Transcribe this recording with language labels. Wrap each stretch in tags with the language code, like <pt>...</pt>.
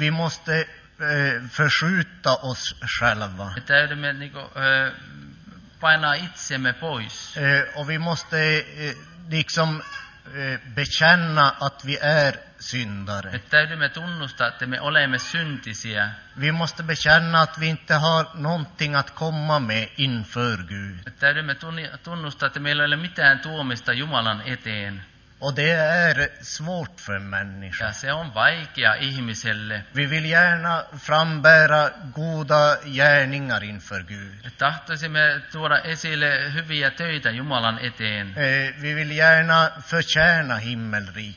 <sv>Vi måste förskjuta oss själva.</sv> <fi>Me täydemme niin kuin painaa itsemme pois.</fi> <sv>Och vi måste liksom bekänna att vi är syndare.</sv> <fi>Me täydymme tunnustaa, että me olemme syntisiä.</fi> <sv>Vi måste bekänna att vi inte har någonting att komma med inför Gud.</sv> <fi>Me täydymme tunnustaa, että meillä ei ole mitään tuomista Jumalan eteen.</fi> <sv>Och det är svårt för människor.</sv> <fi>Ja, se on vaikea ihmiselle.</fi> <sv>Vi vill gärna frambära goda gärningar inför Gud.</sv> <fi>Tahtoisimme tuoda esille hyviä töitä Jumalan eteen.</fi> <sv>Vi vill gärna förtjäna himmelriket.</sv>